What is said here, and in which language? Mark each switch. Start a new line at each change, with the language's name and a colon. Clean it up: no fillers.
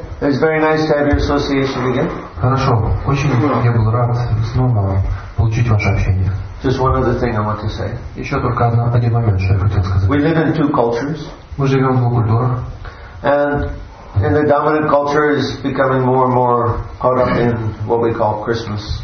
English: It's very nice to have your association again.
Russian: Хорошо. Очень я был рад снова получить ваше общение.
English: Just one other thing I want to say.
Russian: Еще только один момент, что я хотел сказать.
English: We live in two cultures.
Russian: Мы живем в двух культурах.
English: And the dominant culture is becoming more and more caught up in what we call Christmas.